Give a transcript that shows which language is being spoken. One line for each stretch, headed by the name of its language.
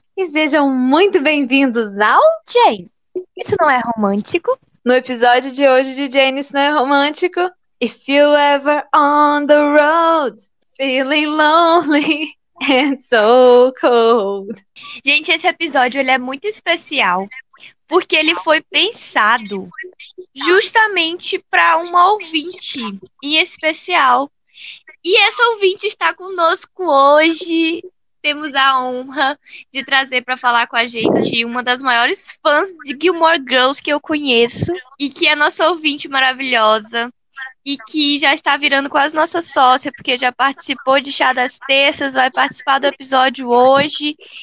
Portuguese: E sejam muito bem-vindos ao Jane. Isso não é romântico? No episódio de hoje de Jane, isso não é romântico?
English: If you ever on the road, feeling lonely and so cold.
Portuguese: Gente, esse episódio ele é muito especial porque ele foi pensado justamente para uma ouvinte em especial. E essa ouvinte está conosco hoje. Temos a honra de trazer para falar com a gente uma das maiores fãs de Gilmore Girls que eu conheço e que é nossa ouvinte maravilhosa e que já está virando quase nossa sócia, porque já participou de Chá das Terças, vai participar do episódio hoje.